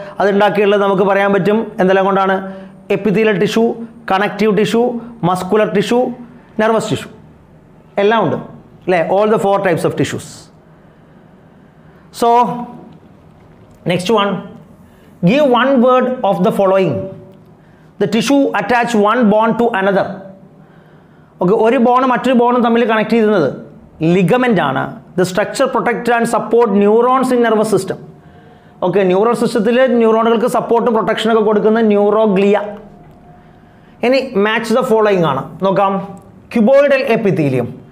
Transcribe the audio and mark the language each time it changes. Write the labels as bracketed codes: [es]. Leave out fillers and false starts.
[ml] അതുണ്ടാക്കിയിട്ടുള്ളത് നമുക്ക് പറയാൻ പറ്റും എന്തെല്ലാം കൊണ്ടാണ്, epithelial tissue, connective tissue, muscular tissue, nervous tissue, എല്ലാം ഉണ്ട് അല്ലേ. [en] All the four types of tissues. So next one, give one word of the following. the tissue attach one bond to another. [ml] Okay, ഒരു born മറ്റൊരു born തമ്മിൽ connect ചെയ്യുന്നത് ligament ആണ്. [en] The structure protect and support neurons in nervous system. [ml] Okay, neuron സിസ്റ്റത്തിൽ ന്യൂറോണുകൾക്ക് സപ്പോർട്ടും പ്രൊട്ടക്ഷനൊക്കെ കൊടുക്കുന്ന neuroglia. ഇനി match the following ആണ് നോക്കാം. Cuboidal epithelium.